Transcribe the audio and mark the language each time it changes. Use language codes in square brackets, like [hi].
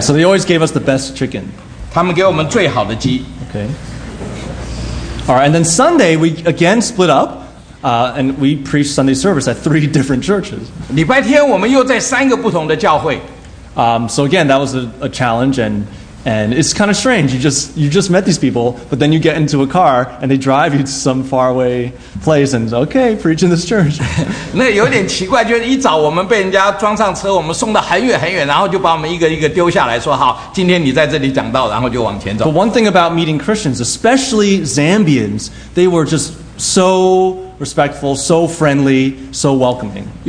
[en] So they always gave us the best chicken. [zh] 他们给我们最好的鸡。Okay. [en] All right, and then Sunday we again split up, and we preached Sunday service at three different churches. [zh] 礼拜天我们又在三个不同的教会。 [en] So again, that was a challenge and. And it's kind of strange. You just met these people, but then you get into a car and they drive you to some faraway place and okay, preach in this church. [zh] 那有点奇怪，就是一早我们被人家装上车，我们送到很远很远，然后就把我们一个一个丢下来说好，今天你在这里讲道，然后就往前走。 [en] But one thing about meeting Christians, especially Zambians, they were just so respectful, so friendly, so welcoming.